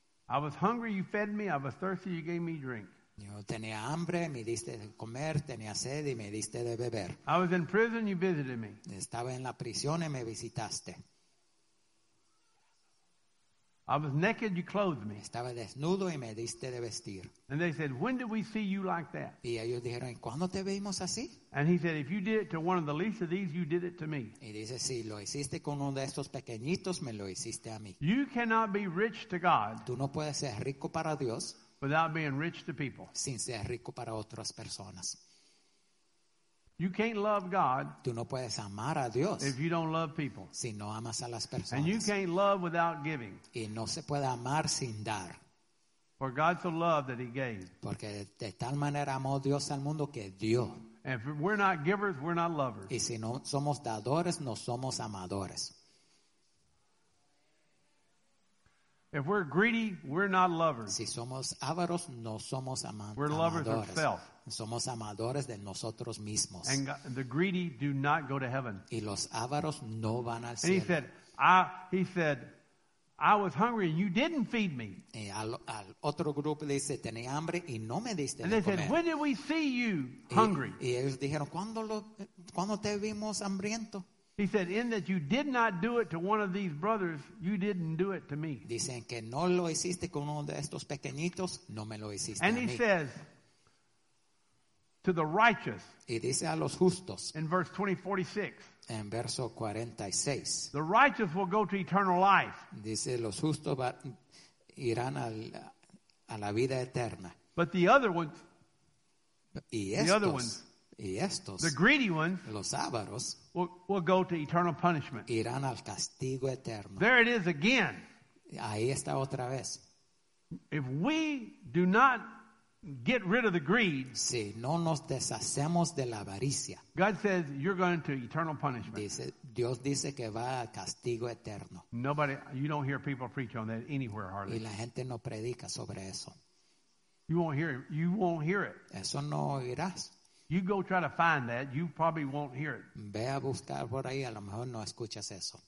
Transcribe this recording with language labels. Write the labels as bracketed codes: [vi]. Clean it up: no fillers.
[en] I was hungry, you fed me. I was thirsty, you gave me drink. [es] Yo tenía hambre, me diste de comer. Tenía sed y me diste de beber. [en] I was in prison, you visited me. [es] Estaba en la prisión y me visitaste. [en] I was naked, you clothed me. [es] Estaba desnudo y me diste de vestir. [en] And they said, when did we see you like that? [es] Y ellos dijeron, ¿cuándo te vimos así? [en] And he said, if you did it to one of the least of these, you did it to me. [es] Y dice, si lo hiciste con uno de estos pequeñitos, me lo hiciste a mí. [en] You cannot be rich to God. [es] Tú no puedes ser rico para Dios. [en] Without being rich to people. [es] Sin ser rico para otras personas. [en] You can't love God. [es] Tú no puedes amar a Dios. [en] If you don't love people. [es] Si no amas a las personas. [en] And you can't love without giving. [es] Y no se puede amar sin dar. [en] For God so loved that he gave. [es] Porque de tal manera amó Dios al mundo que dio. [en] And if we're not givers, we're not lovers. [es] Y si no somos dadores, no somos amadores. [en] If we're greedy, we're not lovers. [es] Si somos avaros, no somos amadores. [en] We're lovers of self. [es] Somos amadores de nosotros mismos. [en] And God, the greedy do not go to heaven. [es] Y los avaros no van al cielo. [en] And he said, I was hungry and you didn't feed me. [es] Y al otro grupo dice, tenía hambre y no me diste de comer. [en] And they said, when did we see you hungry? [es] Y ellos dijeron, ¿cuándo te vimos hambriento? [en] He said, in that you did not do it to one of these brothers, you didn't do it to me. [es] Dicen que no lo hiciste con uno de estos pequeñitos, no me lo hiciste a mí. [en] And he says, to the righteous. [es] Y dice a los justos. [en] In verse 20:46. [es] En verso 46. [en] The righteous will go to eternal life. [es] Dice los justos irán a la vida eterna. [en] But the other ones. [es] Y estos. [en] The other ones. [es] Y estos. [en] The greedy ones. [es] Los avaros. [en] Will go to eternal punishment. [es] Irán al castigo eterno. [en] There it is again. [es] Ahí está otra vez. [en] If we do not get rid of the greed. [es] Si no nos deshacemos de la avaricia. [en] God says you're going to eternal punishment. [es] Dice, Dios dice que va a castigo eterno. [en] Nobody, you don't hear people preach on that anywhere hardly. [es] Y la gente no predica sobre eso. [en] You won't hear it. [es] Eso no oirás. [en] You go try to find that, you probably won't hear it. [es] Ve a buscar por ahí, a lo mejor no escuchas eso.